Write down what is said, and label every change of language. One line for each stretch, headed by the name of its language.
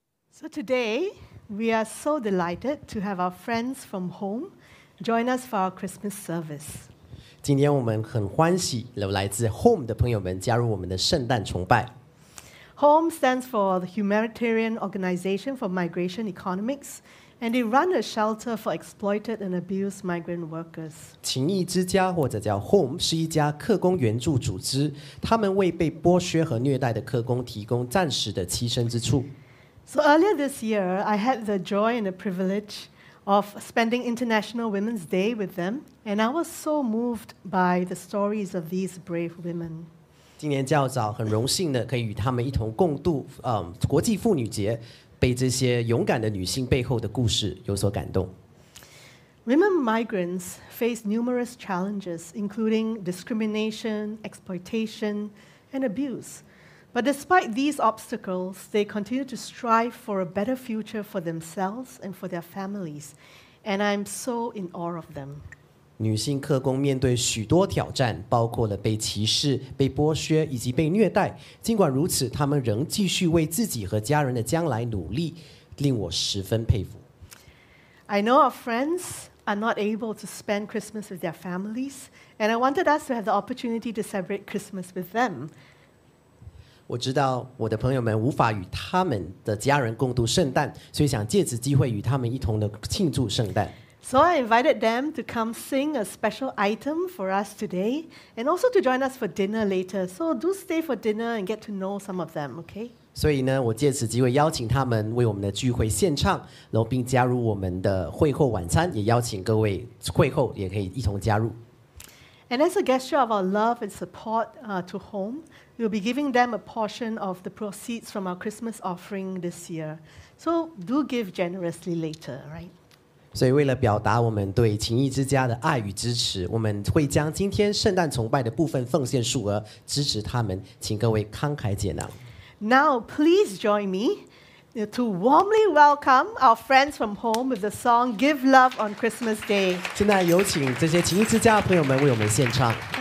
English: So today, we are so delighted to have our friends from home join us for our Christmas service.
Chinese: 今天我们很欢喜有来自 home 的朋友们加入我们的圣诞崇拜。
English: Home stands for the Humanitarian Organization for Migration Economics, and they run a shelter for exploited and abused migrant workers.
Chinese: 情谊之家或者叫 Home 是一家客工援助组织，他们为被剥削和虐待的客工提供暂时的栖身之处。
English: So earlier this year, I had the joy and the privilege of spending International Women's Day with them, and I was so moved by the stories of these brave women.
Chinese: 今年较早，很荣幸的可以与他们一同共度，国际妇女节，被这些勇敢的女性背后的故事有所感动。
English: Women migrants face numerous challenges, including discrimination, exploitation, and abuse. But despite these obstacles, they continue to strive for a better future for themselves and for their families. And I'm so in awe of them.
Chinese: 女性客工面对许多挑战，包括了被歧视、被剥削以及被虐待。尽管如此，她们仍继续为自己和家人的将来努力，令我十分佩服。
English: I know our friends are not able to spend Christmas with their families, and I wanted us to have the opportunity to celebrate Christmas with them.
Chinese: 我知道我的朋友们无法与他们的家人共度圣诞，所以想借此机会与他们一同的庆祝圣诞。
English: So I invited them to come sing a special item for us today, and also to join us for dinner later. So do stay for dinner and get to know some of them, okay?
Chinese: 所以呢，我借此机会邀请他们为我们的聚会献唱，然后并加入我们的会后晚餐，也邀请各位会后也可以一同加入。
English: And as a gesture of our love and support to home, we'll be giving them a portion of the proceeds from our Christmas offering this year. So do give generously later, right?
Chinese: 所以为了表达我们对情谊之家的爱与支持，我们会将今天圣诞崇拜的部分奉献数额支持他们，请各位慷慨解囊。
English: Now please join me to warmly welcome our friends from home with the song Give Love on Christmas Day.
Chinese: 现在有请这些情谊之家的朋友们为我们献唱。